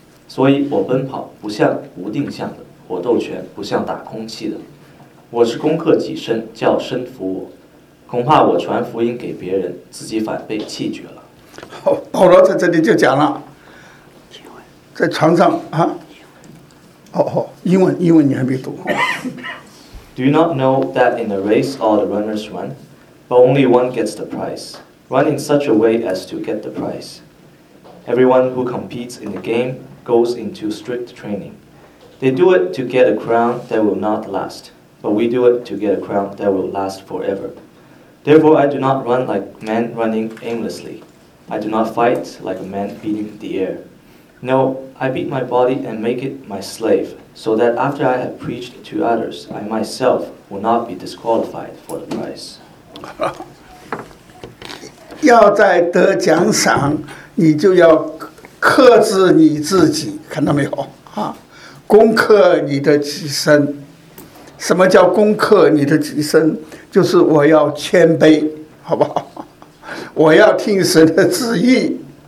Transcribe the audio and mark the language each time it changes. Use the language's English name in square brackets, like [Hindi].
[Chinese] 所以我奔跑不像无定向的，我斗拳不像打空气的。我是攻克己身，叫身服我。恐怕我传福音给别人，自己反被弃绝了。好，保罗在这里就讲了，在床上啊。英文你还没读。 [English] Do you not know that in a race all the runners run, but only one gets the prize? Run in such a way as to get the prize. Everyone who competes in the game goes into strict training. They do it to get a crown that will not last, but we do it to get a crown that will last forever. Therefore, I do not run like men running aimlessly. I do not fight like a man beating the air. No, I beat my body and make it my slave, so that after I have preached to others, I myself will not be disqualified for the prize. [Chinese] 要再得奖赏，你就要克制你自己，看到没有？攻克你的己身。什么叫攻克你的己身？就是我要谦卑，好不好？我要听神的旨意。